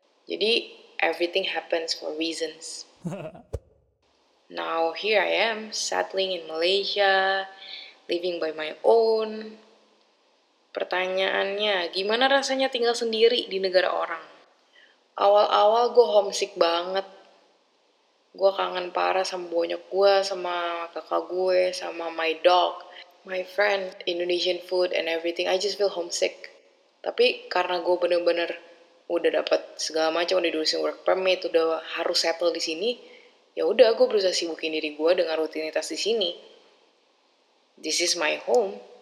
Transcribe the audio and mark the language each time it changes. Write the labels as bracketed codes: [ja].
[id] Jadi, [en] everything happens for reasons. Now, here I am, settling in Malaysia, living by my own. [id] Pertanyaannya, gimana rasanya tinggal sendiri di negara orang? Awal-awal gue homesick banget. Gue kangen parah sama bonyok gue, sama [en] kakak gue, sama my dog, my friend, Indonesian food and everything. I just feel homesick. [id] Tapi karena gue bener-bener udah dapat segala macam, udah diurusin work permit, udah harus settle di sini, ya udah gue berusaha sibukin diri gue dengan rutinitas di sini. [en] This is my home.